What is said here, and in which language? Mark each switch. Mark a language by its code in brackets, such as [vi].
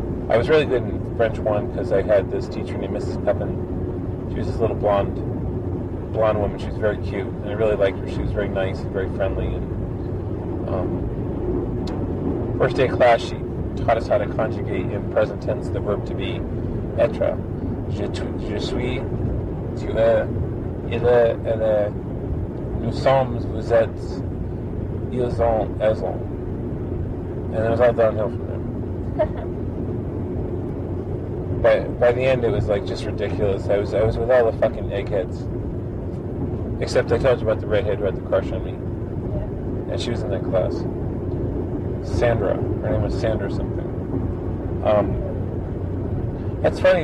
[en] I was really good in French 1 because I had this teacher named Mrs. Pepin. She was this little blonde woman. She was very cute, and I really liked her. She was very nice and very friendly. And first day of class, she taught us how to conjugate in present tense the verb to be, être. [fr] Je suis, tu es, il est, elle est, nous sommes, vous êtes, ils ont, elles ont. [en] And it was all downhill from there. By the end, it was like just ridiculous. I was with all the fucking eggheads. Except I told you about the redhead who had the crush on me. Yeah. And she was in that class. Sandra. Her name was Sandra something. That's funny.